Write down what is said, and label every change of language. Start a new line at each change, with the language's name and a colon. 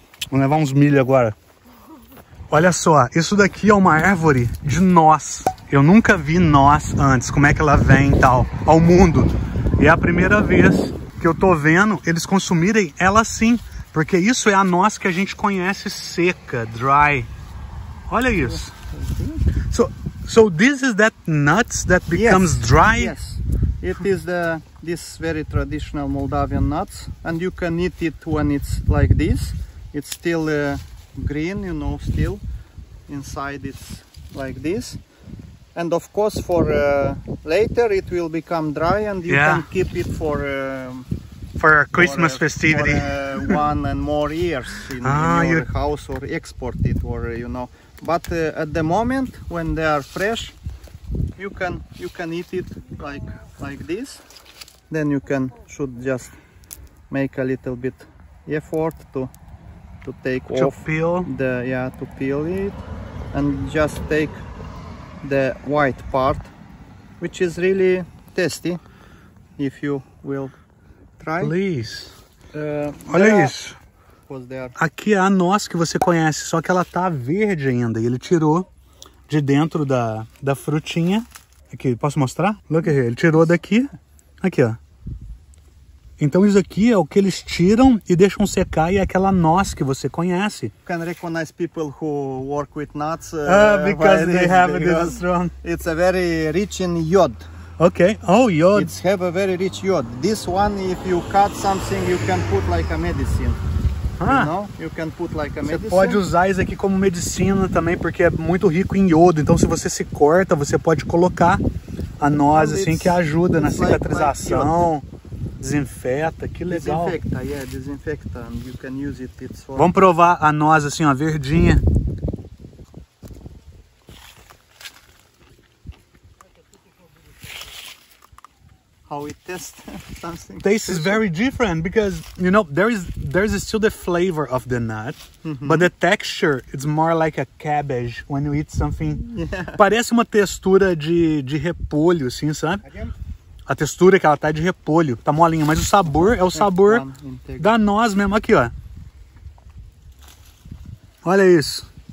Portuguese: Vou levar uns milho agora. Olha só, isso daqui é uma árvore de noz. Eu nunca vi noz antes, como é que ela vem e tal, ao mundo. E é a primeira vez que eu tô vendo eles consumirem ela assim. Porque isso é a noz que a gente conhece seca, dry. Olha isso.
English: So this is that nuts that becomes dry? Yes, it is this very traditional Moldavian nuts. And you can eat it when it's like this. It's still green, you know, still inside it's like this. And of course, for later it will become dry and you can keep it for Christmas festivity. For one and more years in your house or export it or, you know. But at the moment, when they are fresh, you can eat it like this. Then you can should just make a little bit effort to peel it and just take the white part, which is really tasty if you will try. Please.
Portuguese: Olha isso.
English: was there.
Portuguese: Aqui é a noz que você conhece, só que ela tá verde ainda. E ele tirou de dentro da frutinha. Aqui, posso mostrar?
English: Look here.
Portuguese: Ele tirou daqui. Aqui, ó. Então isso aqui é o que eles tiram e deixam secar, e é aquela noz que você conhece.
English: You can recognize people who work with nuts because they have this strong. It's a very rich in yod. Okay. Oh, yod. It's have a very rich yod. This one, if you cut something, you can put like a medicine. You can put like a
Portuguese: você
English: medicine.
Portuguese: Pode usar isso aqui como medicina também, porque é muito rico em iodo. Então se você se corta, você pode colocar a noz assim, que ajuda na cicatrização. Desinfeta, que legal.
English: Desinfecta, yeah, desinfecta. And you can use it, it's for...
Portuguese: Vamos provar a noz assim, ó, verdinha.
English: How it tastes something. Tastes special. Very different because, you know, there is still the flavor of the nut, mm-hmm. but the texture, it's more like a cabbage when you eat something. Yeah.
Portuguese: Parece uma textura de repolho, assim, sabe?
English: Again?
Portuguese: A textura que ela tá de repolho, tá molinha, mas o sabor é o sabor da noz mesmo. Aqui, ó. Olha isso.